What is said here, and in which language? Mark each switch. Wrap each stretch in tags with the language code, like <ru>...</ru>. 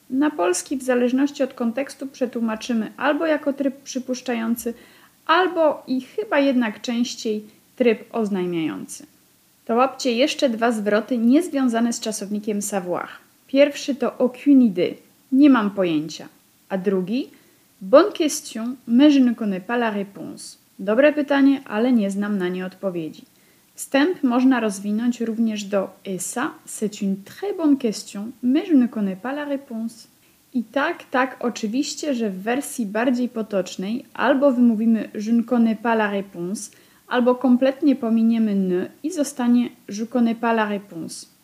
<pl>Na polski w zależności od kontekstu przetłumaczymy albo jako tryb przypuszczający, albo i chyba jednak częściej tryb oznajmiający. To łapcie jeszcze dwa zwroty niezwiązane z czasownikiem savoir. Pierwszy to</pl> <fr>aucune idée,</fr> <pl>nie mam pojęcia. A drugi,</pl> <fr>bonne question, mais je ne connais pas la réponse.</fr> <pl>Dobre pytanie, ale nie znam na nie odpowiedzi. Wstęp można rozwinąć również do</pl> <fr>et ça, c'est une très bonne question, mais je ne connais pas la réponse.</fr> <pl>I tak, tak, oczywiście, że w wersji bardziej potocznej albo wymówimy</pl> <fr>je ne connais pas la réponse,</fr> <pl>albo kompletnie pominiemy ne i zostanie</pl> <fr>je connais pas la réponse.</fr>